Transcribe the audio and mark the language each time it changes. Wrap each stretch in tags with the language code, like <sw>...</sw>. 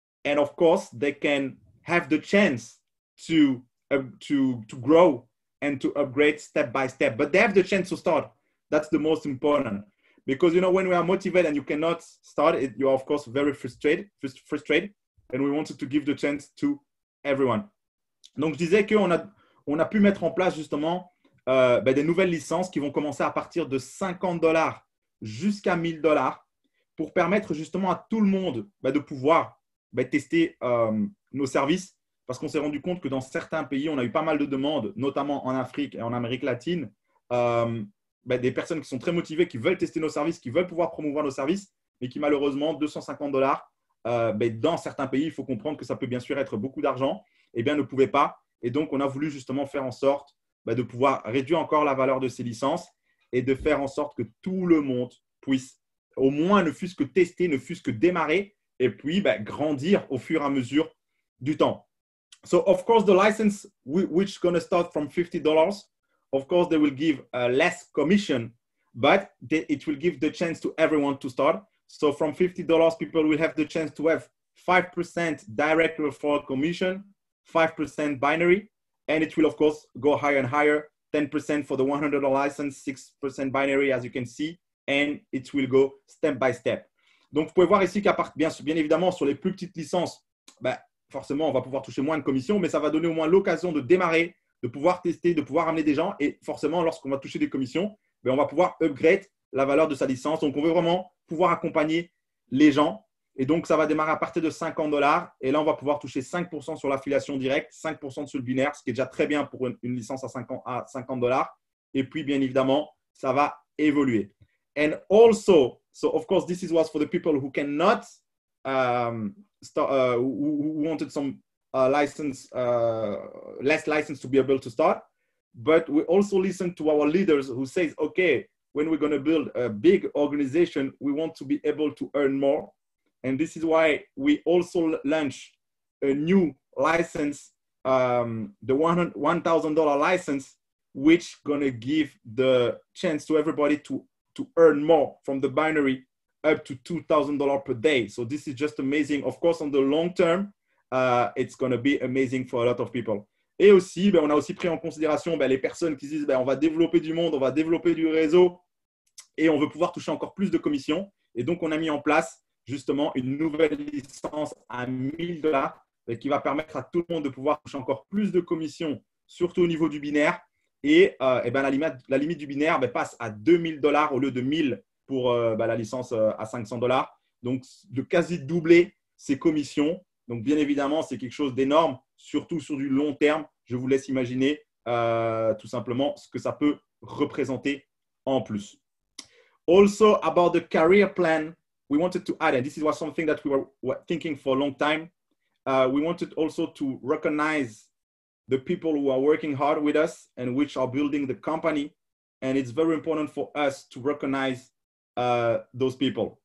<en>And of course, they can have the chance to grow and to upgrade step by step. But they have the chance to start. That's the most important. Because, you know, when we are motivated and you cannot start it, you are, of course, very frustrated. And we wanted to give the chance to everyone.</en> <fr>Donc, je disais qu'on a pu mettre en place, justement, ben, des nouvelles licences qui vont commencer à partir de $50 jusqu'à $1,000 pour permettre, justement, à tout le monde ben, de pouvoir ben, tester nos services. Parce qu'on s'est rendu compte que dans certains pays, on a eu pas mal de demandes, notamment en Afrique et en Amérique latine. Ben, des personnes qui sont très motivées, qui veulent tester nos services, qui veulent pouvoir promouvoir nos services, mais qui malheureusement, $250, ben, dans certains pays, il faut comprendre que ça peut bien sûr être beaucoup d'argent, et bien ne pouvait pas. Et donc, on a voulu justement faire en sorte ben, de pouvoir réduire encore la valeur de ces licences et de faire en sorte que tout le monde puisse au moins ne fût-ce que tester, ne fût-ce que démarrer et puis ben, grandir au fur et à mesure du temps.</fr> <en>So, of course, the license which is going to start from $50, of course, they will give less commission, but it will give the chance to everyone to start. So from $50, people will have the chance to have 5% direct referral commission, 5% binary, and it will, of course, go higher and higher 10% for the $100 license, 6% binary, as you can see, and it will go step by step.</en> <fr>Donc, vous pouvez voir ici qu'à part, bien évidemment, sur les plus petites licences, ben, forcément, on va pouvoir toucher moins de commissions, mais ça va donner au moins l'occasion de démarrer, de pouvoir tester, de pouvoir amener des gens. Et forcément, lorsqu'on va toucher des commissions, ben, on va pouvoir upgrade la valeur de sa licence. Donc, on veut vraiment pouvoir accompagner les gens. Et donc, ça va démarrer à partir de $50. Et là, on va pouvoir toucher 5% sur l'affiliation directe, 5% sur le binaire, ce qui est déjà très bien pour une licence à $50. Et puis, bien évidemment, ça va évoluer.</fr> <en>And also, so of course, this is was for the people who cannot start, who wanted some license, less license to be able to start. But we also listened to our leaders who says, okay, when we're going to build a big organization, we want to be able to earn more. And this is why we also launched a new license, the $1,000 license, which going to give the chance to everybody to earn more from the binary up to $2,000 per day. So this is just amazing. Of course, on the long term, it's going to be amazing for a lot of people.</en> <fr>Et aussi, ben, on a aussi pris en considération ben, les personnes qui disent ben, on va développer du monde, on va développer du réseau et on veut pouvoir toucher encore plus de commissions. Et donc, on a mis en place justement une nouvelle licence à $1,000 qui va permettre à tout le monde de pouvoir toucher encore plus de commissions, surtout au niveau du binaire. Et, la limite du binaire ben, passe à $2,000 au lieu de $1,000 pour la licence à $500. Donc, de quasi doubler ces commissions. Donc, bien évidemment, c'est quelque chose d'énorme, surtout sur du long terme. Je vous laisse imaginer tout simplement ce que ça peut représenter en plus.</fr> <en>Also, about the career plan, we wanted to add, and this was something that we were thinking for a long time. We wanted also to recognize the people who are working hard with us and which are building the company. And it's very important for us to recognize those people.</en>